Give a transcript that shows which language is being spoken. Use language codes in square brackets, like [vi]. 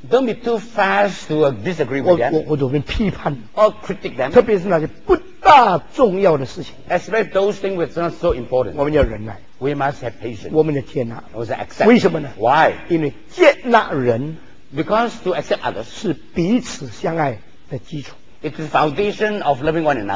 [en] Don't be too fast to disagree with them. [zh] 或者被批判。 [en] Or critic them. [zh] 特别是那些不大重要的事情。 [en] Especially those things which are not so important. [zh] 我们要忍耐。 [en] We must have patience. [zh] 我们的接纳。 [en] Was accept. [zh] 为什么呢 [en] ？Why? [zh] 因为接纳人。 [en] Because to accept others [zh] 是彼此相爱的基础。 [en] It is the foundation of loving one another.